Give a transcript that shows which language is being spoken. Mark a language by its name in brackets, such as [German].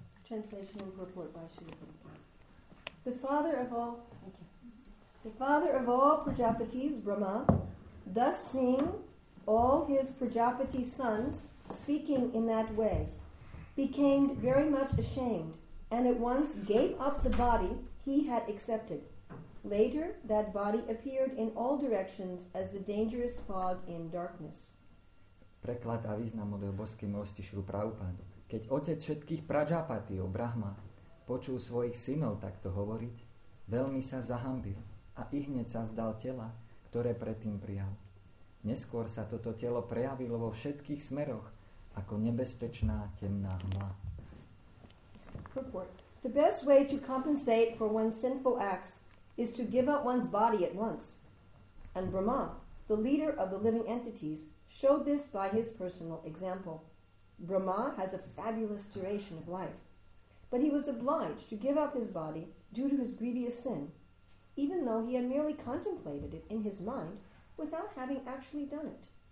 [English] Translation and purport by Srila Prabhupada. The father of all, thank you, the father of all Prajapatis, Brahma, thus seeing all his Prajapati sons speaking in that way, became very much ashamed, and at once gave up the body he had accepted. Later, that body appeared in all directions as the dangerous fog in darkness. [Slovak] Preklad a význam od Božskej milosti Šrilu Prabhupádu. Keď otec všetkých Prajapatiho, Brahma, počul svojich synov takto hovoriť, veľmi sa zahambil a ihneď sa vzdal tela, ktoré predtým prijal. Neskôr sa toto telo prejavilo vo všetkých smeroch ako nebezpečná temná hmla. [English] Report. The best way to compensate for one's sinful acts is to give up one's body at once. And Brahma, the leader of the living entities, showed this by his personal example. Brahma has a fabulous duration of life, but he was obliged to give up his body due to his grievous sin, even though he had merely contemplated it in his mind without having actually done it.